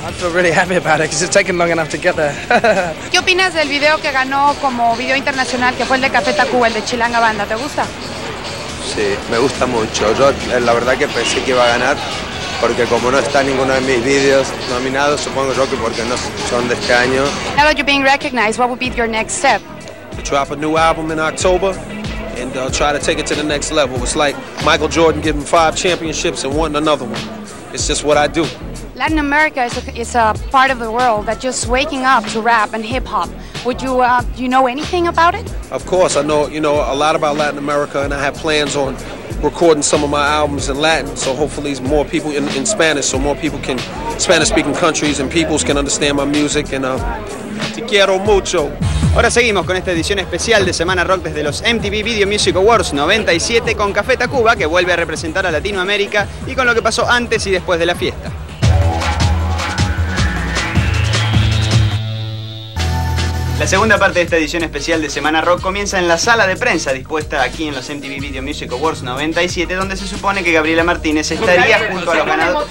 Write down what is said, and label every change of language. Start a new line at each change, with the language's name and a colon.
English: I feel really happy about it because it's taken long enough to get there.
Spanish: ¿Qué opinas del video que ganó como video internacional, que fue el de Café Tacuba, el de Chilanga Banda? ¿Te gusta? Sí, me gusta mucho. Yo la verdad que pensé que iba a ganar, porque como no está ninguno de mis videos nominados, supongo yo que porque no son de este año.
English: Now that you're being recognized, what would be your next step? To drop a new album in October and try to take it to the next level. It's like Michael Jordan giving 5 championships and wanting another one. It's just what I do. Latin America is a part of the world that just waking up to rap and hip hop. Would you do you know anything about it? Of course, I know, you know, a lot about Latin America, and I have plans on recording some of my albums in Latin, so hopefully more people in Spanish, so more people can, Spanish-speaking countries and peoples can understand my music, and
Spanish: te quiero mucho. Ahora seguimos con esta edición especial de Semana Rock desde los MTV Video Music Awards 97 con Café Tacuba, que vuelve a representar a Latinoamérica, y con lo que pasó antes y después de la fiesta. La segunda parte de esta edición especial de Semana Rock comienza en la sala de prensa dispuesta aquí en los MTV Video Music Awards 97, donde se supone que Gabriela Martínez estaría junto a los ganadores.